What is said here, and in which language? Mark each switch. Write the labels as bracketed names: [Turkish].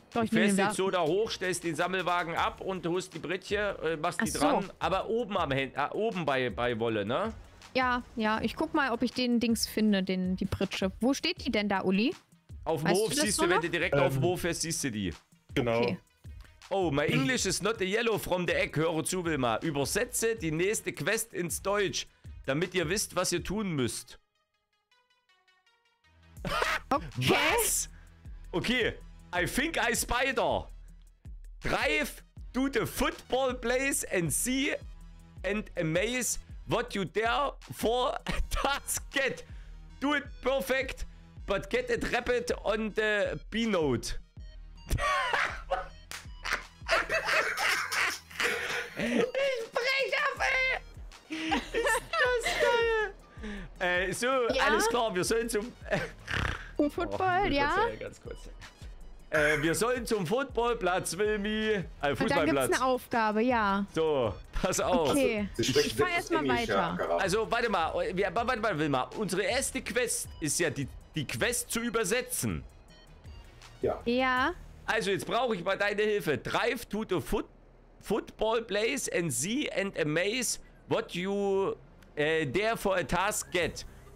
[German] Du fährst jetzt so da hoch, stellst den Sammelwagen ab und holst die Brettche, machst ach die so. Dran. Aber oben am oben bei Wolle, ne? Ja. Ich guck mal, ob ich den Dings finde, die Brettche. Wo steht die denn da, Uli? Auf dem Hof siehst du, wenn du direkt auf dem Hof fährst, siehst du die. Genau. Okay. [English] Oh, my English is not a yellow from the egg. [German] Höre zu, Wilma. Übersetze die nächste Quest ins Deutsch, damit ihr wisst, was ihr tun müsst. Okay. Was? [English] Okay, I think I spider. Drive to the football place and see and amaze what you dare for task get. Do it perfect, but get it rapid on the B-note. [German] Ich brech auf, ey. Ist das geil. So, ja? Alles klar, wir sollen zum... Zum Football, oh, ja? Ganz kurz. Wir sollen zum Footballplatz, Wilmi. Fußballplatz. Und dann gibt's eine Aufgabe, ja. So, pass auf. Okay, ich fahr erstmal weiter. Also, warte mal, Wilma. Unsere erste Quest ist ja die Quest zu übersetzen. Ja. Ja. Also, jetzt brauche ich mal deine Hilfe. [English] Drive to the football place and see and amaze what you there for a task get.